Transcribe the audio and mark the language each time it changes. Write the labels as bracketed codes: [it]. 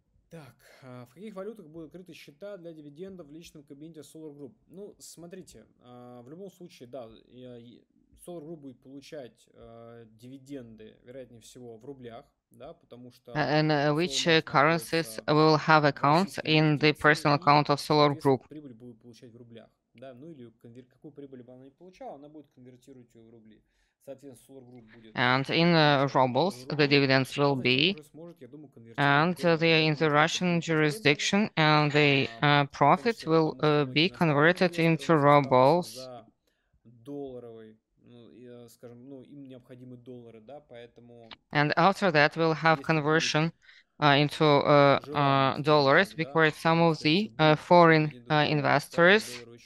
[ru] Так, в каких валютах будут открыты счета для дивидендов в личном кабинете SolarGroup? Ну, смотрите, в любом случае, да, SolarGroup будет получать дивиденды, вероятнее всего, в рублях, да, потому что... [en] And which currencies will have accounts in the personal account of SolarGroup? [ru] Прибыль будет получать в рублях. Да, ну или какую прибыль бы она не получала, она будет конвертировать ее в рубли. Соответственно, SolarGroup будет... [en] And in rubles, the dividends will be... And they are in the Russian jurisdiction, and the profit will be converted into rubles. [ru] Долларовый, скажем, ну, им необходимы доллары, да, поэтому... [en] And after that, we'll have conversion into dollars, because some of the foreign investors...